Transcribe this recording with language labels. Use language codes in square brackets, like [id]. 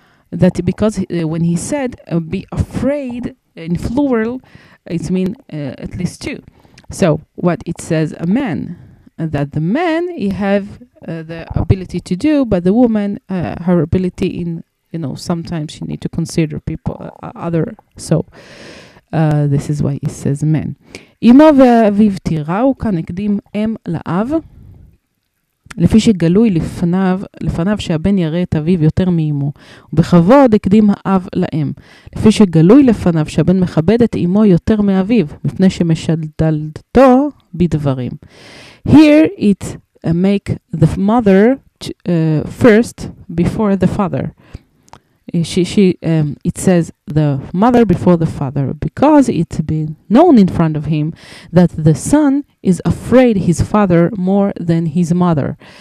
[en] That because when he said be afraid in plural, it means at least two. So what it says a man. That the man he have the ability to do, but the woman her ability in, you know, sometimes she need to consider people other. So this is why he says men. [he] Imo ve'aviv tirau kanekdim em la'av לפי שגלוי לפניו שהבן יראה את אביו יותר מאמו, ובכבוד הקדים האב לאם. לפי שגלוי לפניו שהבן מכבד את אמו יותר מאביו, מפני שמשדלתו בדברים. [en] Here it make the mother first before the father. It says the mother before the father, because it's been known in front of him that the son is afraid his father more than his mother.